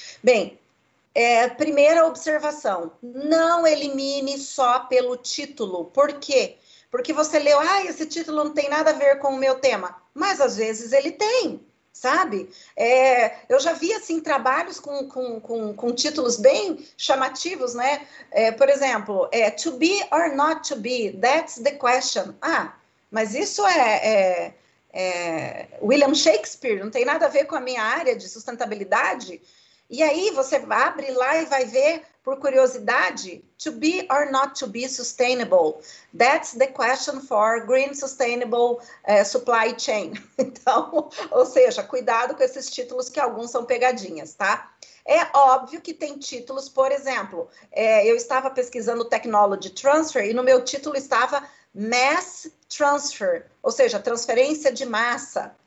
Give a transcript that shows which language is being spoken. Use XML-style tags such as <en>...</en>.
<pt>Bem, primeira observação: não elimine só pelo título. Por quê? Porque você leu, ah, esse título não tem nada a ver com o meu tema. Mas às vezes ele tem, sabe? Eu já vi assim trabalhos com títulos bem chamativos, né? Por exemplo,</pt> <en>To be or not to be, that's the question.</en> <pt>Ah, mas isso é William Shakespeare, não tem nada a ver com a minha área de sustentabilidade. E aí você abre lá e vai ver, por curiosidade,</pt> <en>to be or not to be sustainable. That's the question for green sustainable supply chain.</en> <pt>Então, ou seja, cuidado com esses títulos que alguns são pegadinhas, tá? É óbvio que tem títulos, por exemplo, eu estava pesquisando technology transfer e no meu título estava mass transfer, ou seja, transferência de massa.</pt>